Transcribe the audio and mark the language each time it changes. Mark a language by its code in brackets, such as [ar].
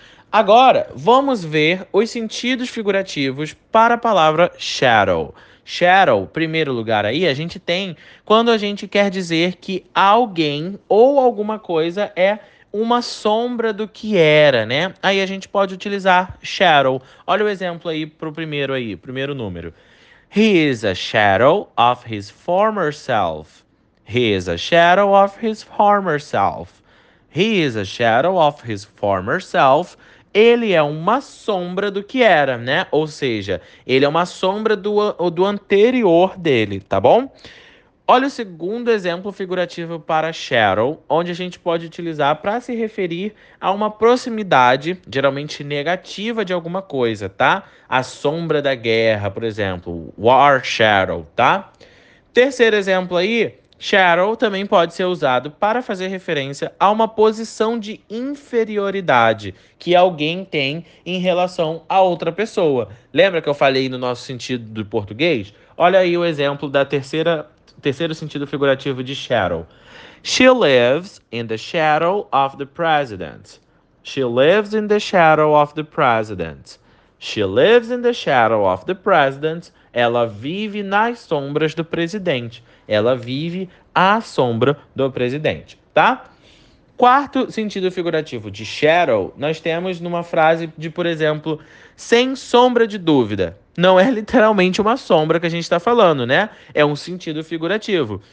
[pt] Agora, vamos ver os sentidos figurativos para a palavra shadow. Shadow, primeiro lugar aí, a gente tem quando a gente quer dizer que alguém ou alguma coisa é uma sombra do que era, né? Aí a gente pode utilizar shadow. Olha o exemplo aí pro primeiro aí, primeiro número. [en] He is a shadow of his former self. He is a shadow of his former self. He is a shadow of his former self. [pt] Ele é uma sombra do que era, né? Ou seja, ele é uma sombra do anterior dele, tá bom? Olha o segundo exemplo figurativo para shadow, onde a gente pode utilizar para se referir a uma proximidade, geralmente negativa, de alguma coisa, tá? A sombra da guerra, por exemplo, [en] war shadow, [pt] tá? Terceiro exemplo aí, shadow também pode ser usado para fazer referência a uma posição de inferioridade que alguém tem em relação a outra pessoa. Lembra que eu falei no nosso sentido do português? Olha aí o exemplo da terceiro sentido figurativo de shadow. [en] She lives in the shadow of the president. She lives in the shadow of the president. She lives in the shadow of the president. [pt] Ela vive nas sombras do presidente. Ela vive à sombra do presidente, tá? Quarto sentido figurativo de shadow, nós temos numa frase de, por exemplo, sem sombra de dúvida. Não é literalmente uma sombra que a gente está falando, né? É um sentido figurativo.